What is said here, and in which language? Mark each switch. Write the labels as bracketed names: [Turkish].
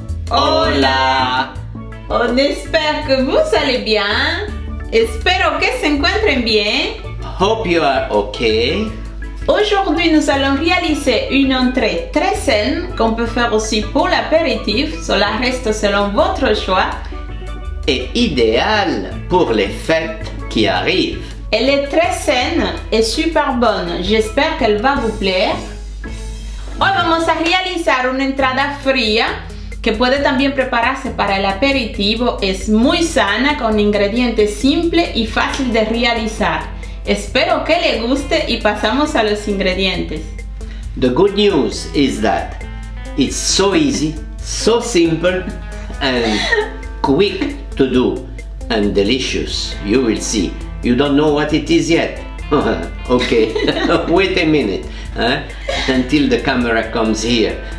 [French] on espère que vous allez bien. [Spanish] Espero que se encuentren bien. [English] Hope you are okay. [French] Aujourd'hui, nous allons réaliser une entrée très saine qu'on peut faire aussi pour l'apéritif. Cela reste selon votre choix. Et idéal pour les fêtes qui arrivent. Elle est très saine et super bonne. J'espère qu'elle va vous plaire. [Spanish] Hoy vamos a realizar una entrada fría que puede también prepararse para el aperitivo. Es muy sana, con ingredientes simples y fácil de realizar. Espero que le guste y pasamos a los ingredientes. [English] The good news is that it's so easy, so simple and quick to do and delicious. You will see. You don't know what it is yet. Okay, wait a minute. Until the camera comes here.